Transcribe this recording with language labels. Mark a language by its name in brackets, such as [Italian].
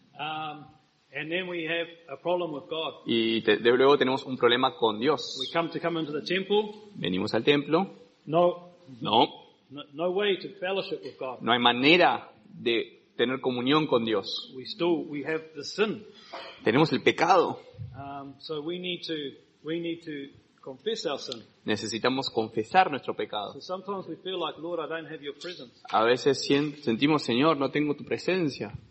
[English] And then we have a problem with God. [Spanish] Y luego tenemos un problema con Dios. [English] We come into the temple. [Spanish] Venimos al templo. [English] No way to fellowship with God. [Spanish] No hay manera de tener comunión con Dios. [English] We have the sin. [Spanish] Tenemos el pecado. [English] So we need to confess our sin. [Spanish] Necesitamos confesar nuestro pecado. [English] So sometimes we feel like, Lord, I don't have your presence. [Spanish] A veces sentimos, Señor, no tengo tu presencia.